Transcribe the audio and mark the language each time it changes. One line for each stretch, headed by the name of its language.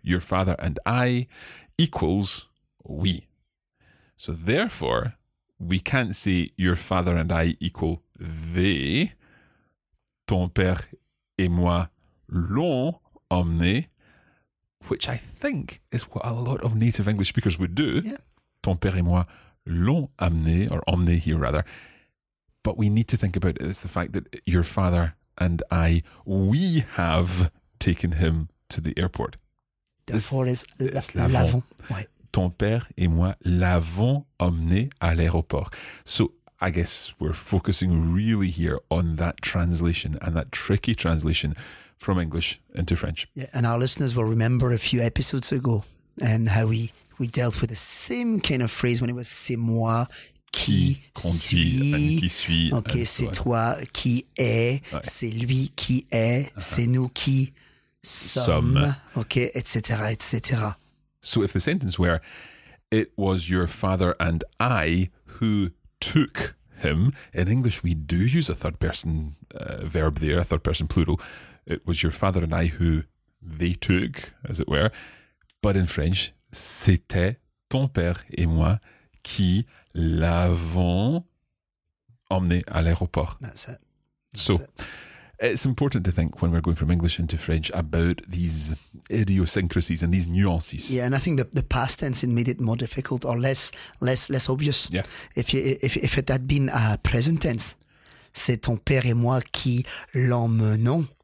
English: Your father and I equals we. So therefore, we can't say your father and I equal V,
French: ton père et moi l'ont emmené,
English: which I think is what a lot of native English speakers would do. Yeah.
French: Ton père et moi l'ont amené, or emmené
English: here rather. But we need to think about it. It's the fact that your father and I, we have taken him to the airport. Therefore, it's l'avons. Ouais.
French: Ton père et moi l'avons emmené à l'aéroport.
English: So I guess we're focusing really here on that translation and that tricky translation from English into French. Yeah, and our listeners will remember a few episodes ago and how we dealt with the same kind of phrase when it was
French: c'est moi qui conduit, suis. Qui suit, ok, c'est toi. Toi qui est, ouais. C'est lui qui est, uh-huh. C'est nous qui sommes, ok, etc., etc.
English: So if the sentence were, it was your father and I who took him, in English we do use a third person verb there, a third person plural. It was your father and I who they took, as it were. But in French,
French: c'était ton père et moi qui l'avons emmené à l'aéroport.
English: That's it. It's important to think when we're going from English into French about these idiosyncrasies and these nuances. Yeah, and I think the past tense made it more difficult or less obvious. Yeah. If it had been a present tense,
French: c'est ton père et moi qui l'emmenons.